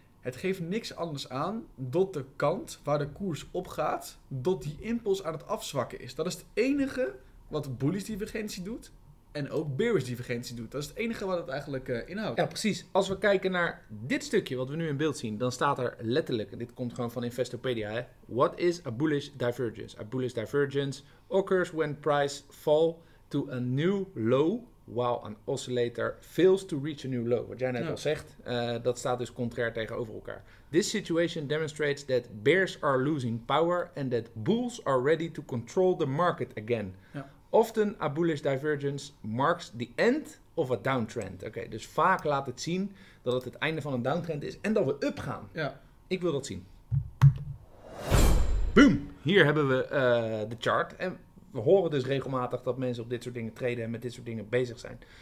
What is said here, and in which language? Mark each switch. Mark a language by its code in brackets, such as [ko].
[nl] Het geeft niks anders aan dat de kant waar de koers op gaat, dat die impuls aan het afzwakken is. Dat is het enige wat bullish divergentie doet. En ook bearish divergentie doet. Dat is het enige wat het eigenlijk inhoudt. Ja, precies. Als we kijken naar dit stukje wat we nu in beeld zien, dan staat er letterlijk, en dit komt gewoon van Investopedia, hè. [en] What is a bullish divergence? A bullish divergence occurs when price fall to a new low, while an oscillator fails to reach a new low. [nl] Wat jij net al zegt, dat staat dus contrair tegenover elkaar. [en] This situation demonstrates that bears are losing power and that bulls are ready to control the market again. Ja. Often a bullish divergence marks the end of a downtrend. [nl] Oké, dus vaak laat het zien dat het einde van een downtrend is en dat we up gaan. Ja. Ik wil dat zien. Boom! Hier hebben we de chart. En we horen dus regelmatig dat mensen op dit soort dingen traden en met dit soort dingen bezig zijn.